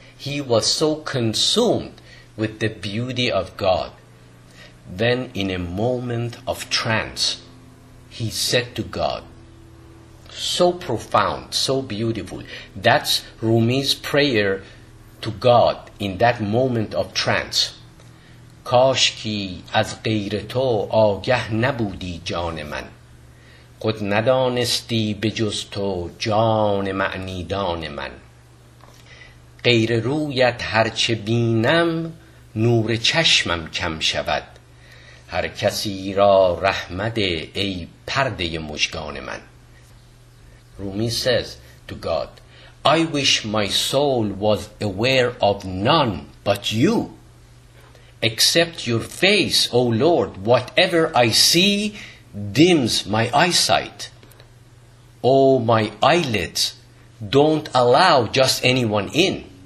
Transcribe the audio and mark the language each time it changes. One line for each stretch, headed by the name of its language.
English: He was so consumed with the beauty of God. Then in a moment of trance, he said to God, so profound, so beautiful. That's Rumi's prayer to God in that moment of trance.
Persian: کاش کی از غیر تو آگه نبودی جان من خود ندانستی بجز تو جان معنی دان من غیر رویت هرچه بینم نور چشمم کم شود هر کسی را رحمت ای پرده مژگان من.
English: Rumi says to God, I wish my soul was aware of none but you. Except your face, O Lord, whatever I see dims my eyesight. O my eyelids, don't allow just anyone in.